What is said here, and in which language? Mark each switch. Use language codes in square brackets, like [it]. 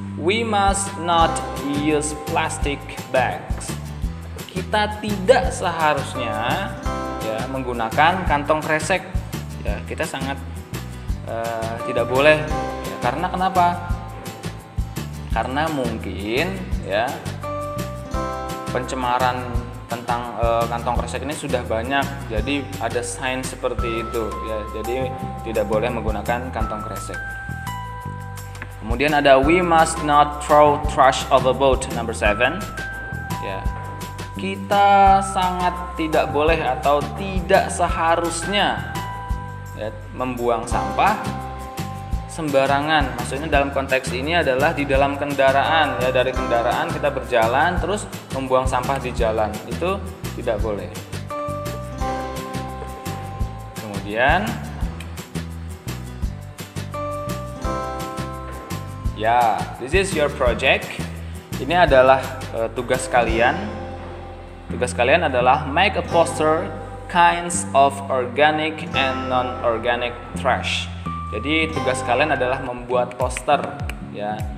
[en] We must not use plastic bags. [id] Kita tidak seharusnya ya menggunakan kantong kresek. Ya, kita sangat tidak boleh. Ya, karena kenapa? Karena mungkin ya pencemaran tentang kantong kresek ini sudah banyak. Jadi ada sign seperti itu ya. Jadi tidak boleh menggunakan kantong kresek. Kemudian ada [en] we must not throw trash overboard number 7. [id] Ya. Kita sangat tidak boleh atau tidak seharusnya ya, membuang sampah sembarangan. Maksudnya dalam konteks ini adalah di dalam kendaraan ya, dari kendaraan kita berjalan terus membuang sampah di jalan. Itu tidak boleh. Kemudian ya, [en] yeah, this is your project. [id] Ini adalah tugas kalian. Tugas kalian adalah [en] make a poster kinds of organic and non-organic trash. [id] Jadi tugas kalian adalah membuat poster ya.